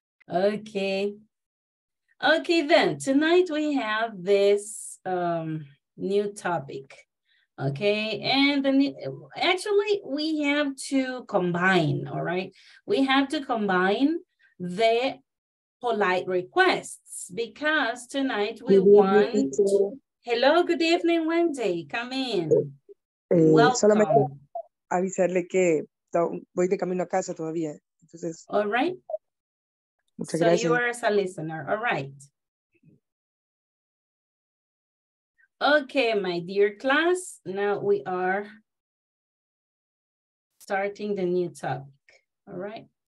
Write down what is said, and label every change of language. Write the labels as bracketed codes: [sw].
[en] Okay. Okay, then. Tonight we have this new topic. Okay, and then actually we have to combine, all right? We have to combine the polite requests because tonight we want... Hello, good evening, Wendy. Come in. Welcome. [es] Solamente avisarle que voy de camino a casa todavía. Entonces... [en] All right. [es] Muchas gracias. [en] So you are as a listener, all right. Okay, my dear class, now we are starting the new topic, all right?